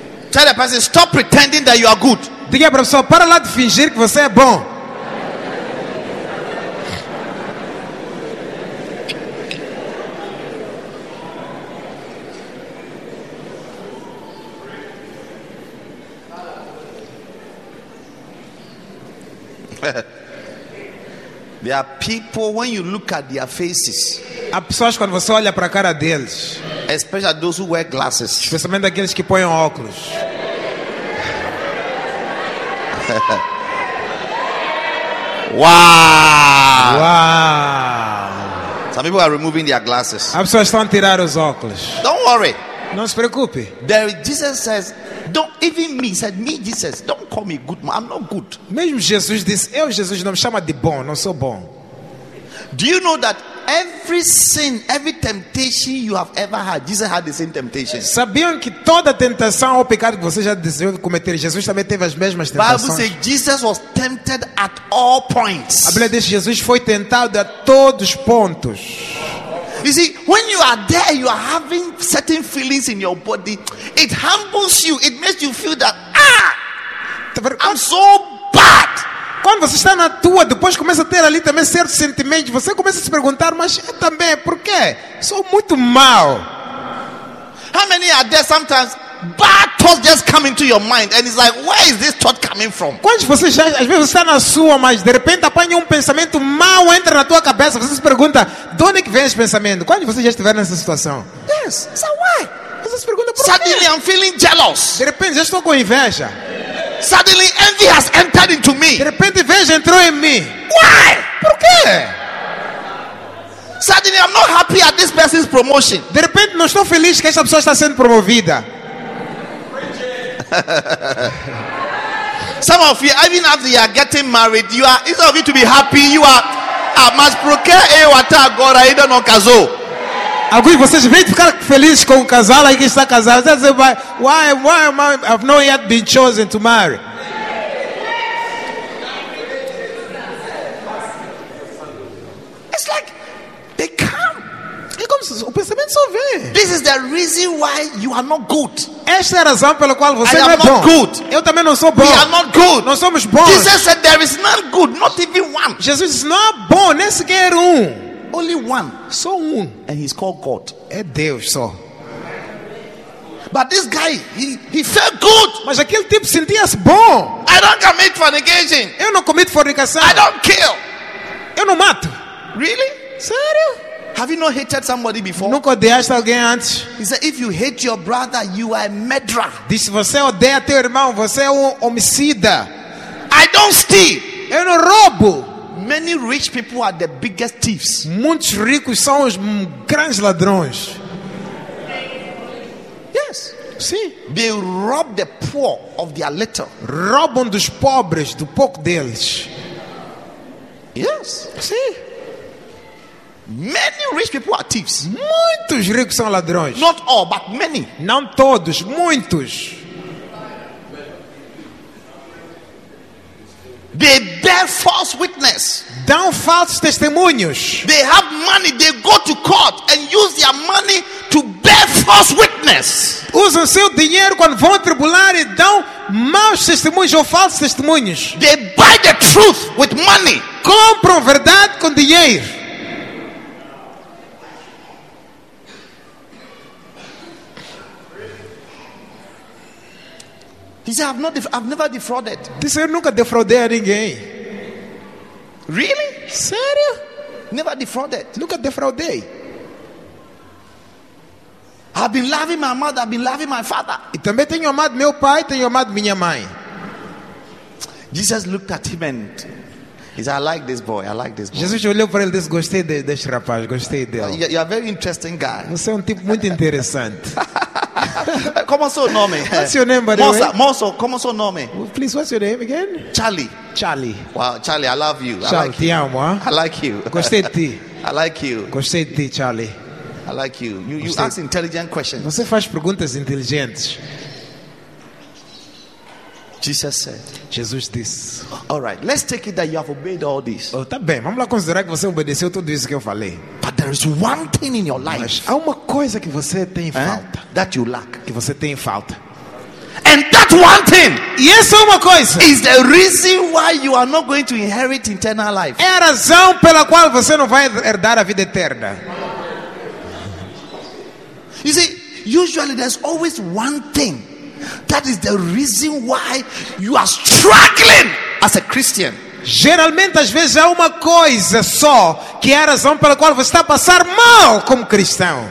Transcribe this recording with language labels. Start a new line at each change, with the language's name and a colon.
English: Tell the person, stop pretending that you are good.
Portuguese: Diga para a pessoa, para lá de fingir que você é bom.
English: There are people, when you look at their faces,
Portuguese: há pessoas quando você olha para a cara deles,
English: especially those who wear glasses,
Portuguese: especialmente aqueles que põem óculos,
English: wow. Wow. Some people are removing their glasses.
Portuguese: Há pessoas estão a tirar os óculos.
English: Don't worry.
Portuguese: Não se preocupe.
English: There, Jesus says, don't even me, said me, Jesus, don't call me good man. I'm not good.
Portuguese: Mesmo Jesus disse, eu, Jesus, não me chama de bom, não sou bom.
English: Do you know that every sin, every temptation you have ever had, Jesus had the same temptation?
Portuguese: Sabiam que toda tentação ou pecado que você já desejou cometer, Jesus também teve as mesmas tentações.
English: Bible says Jesus was tempted at all points.
Portuguese: A Bíblia diz que Jesus foi tentado a todos os pontos.
English: You see, when you are there, you are having certain feelings in your body. It humbles you. It makes you feel that, I'm so bad.
Portuguese: Quando você está na tua, depois começa a ter ali também certos sentimentos. Você começa a se perguntar, mas eu também, por quê? Sou muito mal.
English: How many are there sometimes? Bad thoughts just come into your mind, and it's like, where is this thought coming from?
Portuguese: Quando você já, às vezes você está na sua, mas de repente apanha pensamento mau, entra na tua cabeça, você se pergunta, de onde é que vem esse pensamento? Quando você já estiver nessa situação?
English: Yes. So why?
Portuguese: Você se pergunta por
English: Suddenly
Portuguese: quê?
English: I'm feeling jealous.
Portuguese: De repente já estou com inveja.
English: Suddenly envy has entered into me.
Portuguese: De repente inveja entrou em mim.
English: Why?
Portuguese: Por quê?
English: Suddenly I'm not happy at this person's promotion.
Portuguese: De repente não estou feliz que essa pessoa está sendo promovida.
English: Some of you, even after you are getting married, you are, instead of you to be happy, you are
Portuguese: mas porque eu até agora ainda não casou. Alguns de vocês vêm ficar feliz com o casal aí que está casado. Você dizer,
English: why am I, I've not yet been chosen to marry? It's like they come.
Portuguese: E como se o pensamento só vem.
English: This is the reason why you are not good.
Portuguese: Esta é a razão pela qual você
English: I
Portuguese: não é bom.
English: Good.
Portuguese: Eu também não sou bom.
English: We are not good.
Portuguese: Não somos bons.
English: Jesus said there is none good, not even one.
Portuguese: Jesus disse, não há bom, nem sequer um.
English: Only one.
Portuguese: Só um.
English: And he's called God.
Portuguese: É Deus só.
English: But this guy, he felt good.
Portuguese: Mas aquele tipo sentia-se bom.
English: I don't commit fornication.
Portuguese: Eu não cometo fornicação.
English: I don't kill.
Portuguese: Eu não mato.
English: Really?
Portuguese: Sério?
English: Have you not hated somebody before?
Portuguese: Nunca odiaste alguém antes?
English: He said, if you hate your brother, you are a murderer.
Portuguese: Diz, se você odeia teu irmão, você é homicida.
English: I don't steal.
Portuguese: Eu não roubo.
English: Many rich people are the biggest thieves.
Portuguese: Muitos ricos são os grandes ladrões.
English: Yes.
Portuguese: Sim.
English: They rob the poor of their little.
Portuguese: Roubam dos pobres do pouco deles.
English: Yes.
Portuguese: Sim.
English: Many rich people are thieves.
Portuguese: Muitos ricos são ladrões.
English: Not all, but many.
Portuguese: Não todos, muitos.
English: They bear false witness.
Portuguese: Dão falsos testemunhos.
English: They have money. They go to court and use their money to bear false witness.
Portuguese: Usam seu dinheiro quando vão ao tribunal e dão maus testemunhos ou falsos testemunhos.
English: They buy the truth with money.
Portuguese: Compram verdade com dinheiro.
English: He said, I've never defrauded.
Portuguese: Diz, eu nunca defraudei a ninguém.
English: Really?
Portuguese: Sério?
English: Never defrauded.
Portuguese: Nunca defraudei.
English: I've been loving my mother, I've been loving my father.
Portuguese: E também tenho amado meu pai, tenho amado minha mãe.
English: Jesus looked at him and he said, I like this boy.
Portuguese: Jesus olhou para ele e disse, gostei deste rapaz, gostei dele.
English: You're a very interesting guy.
Portuguese: Você é tipo muito interessante. Como é o seu nome?
English: What's your name, by the way?
Portuguese: Moço, como é o seu nome?
English: Please, what's your name again? Charlie. Wow, Charlie, I love you. Charlie, I like you.
Portuguese: Te amo, huh?
English: I like you.
Portuguese: Gostei de ti.
English: I like you.
Portuguese: Gostei de ti, Charlie.
English: I like you. You ask intelligent questions.
Portuguese: Você faz perguntas inteligentes.
English: Jesus said.
Portuguese: Jesus disse.
English: All right, let's take it that you have obeyed all this.
Portuguese: Oh, tá bem. Vamos lá considerar que você obedeceu tudo isso que eu falei.
English: But there is one thing in your life.
Portuguese: Mas há uma coisa que você tem falta.
English: That you lack.
Portuguese: Que você tem falta.
English: And that one thing.
Portuguese: E essa uma coisa.
English: Is the reason why you are not going to inherit eternal life.
Portuguese: É a razão pela qual você não vai herdar a vida eterna.
English: You see, usually there's always one thing. That is the reason why you are struggling as a Christian.
Portuguese: Geralmente, às vezes, há uma coisa só que é a razão pela qual você está a passar mal como cristão.